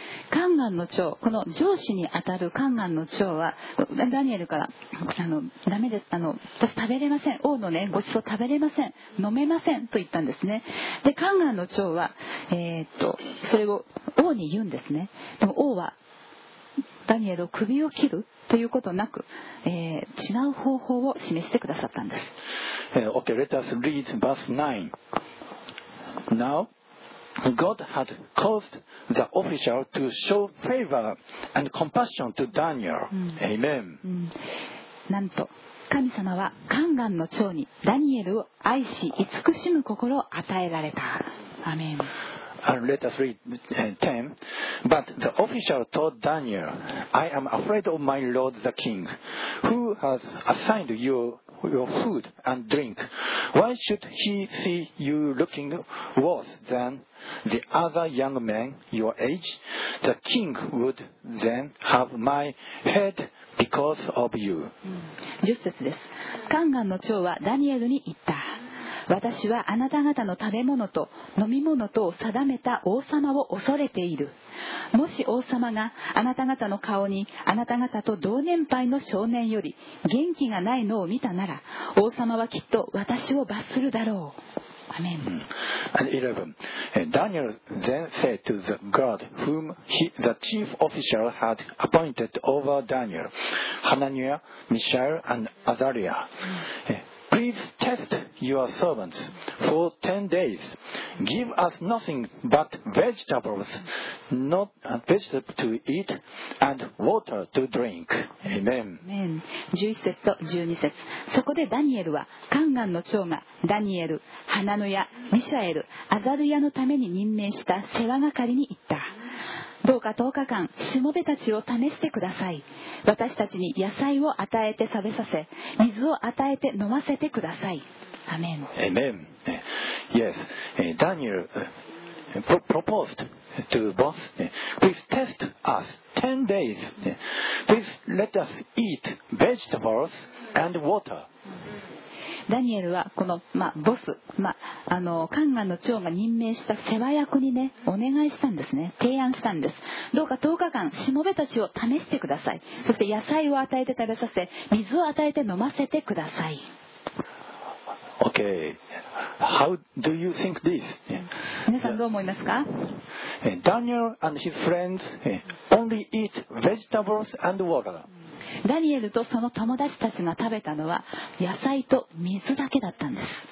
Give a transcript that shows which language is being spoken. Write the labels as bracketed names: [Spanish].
[Japanese] 宦官の長、この上司にあたる宦官の長はダニエルから、ダメです、私食べれません、王の、ね、ごちそう食べれません、飲めませんと言ったんですね。で宦官の長は、それを王に言うんですね。でも王はダニエルを首を切るということなく、違う方法を示してくださったんです。 [English] Okay, let us read verse 9. Now, God had caused the official to show favor and compassion to Daniel. Amen. [Japanese] なんと神様は宦官の長にダニエルを愛し慈しむ心を与えられた。 [English] Amen. And let us read 10. But the official told Daniel, I am afraid of my lord the king, who has assigned you your food and drink. Why should he see you looking worse than the other young men your age? The king would then have my head because of you. [Japanese] 10節です。宦官の長はダニエルに言った。私はあなた方の食べ物と飲み物とを定めた王様を恐れている。もし王様があなた方の顔にあなた方と同年配の少年より元気がないのを見たなら、王様はきっと私を罰するだろう。アメン。 [English] 11. Daniel then said to the guard whom the chief official had appointed over Daniel, Hananiah, Mishael and Azariah, Please test your servants for 10 days. Give us nothing but vegetables, vegetables to eat and water to drink. Amen. [Japanese] Amen. 11節と12節。そこでダニエルは、宦官の長がダニエル、ハナノヤ、ミシャエル、アザルヤのために任命した世話係に行った。どうか10日間しもべたちを試してください。私たちに野菜を与えて食べさせ、水を与えて飲ませてください。アメン。 [English] Amen. Yes, Daniel proposed to boss, please test us 10 days, please let us eat vegetables and water. [Japanese] ダニエルはこの、まあ、ボス、まあ、宦官の長が任命した世話役にね、お願いしたんですね。提案したんです。どうか10日間しもべたちを試してください。そして野菜を与えて食べさせ、水を与えて飲ませてください。 [English] OK. How do you think this? [Japanese] 皆さんどう思いますか？ [English] Daniel and his friends only eat vegetables and water. [Japanese] ダニエルとその友達たちが食べたのは野菜と水だけだったんです。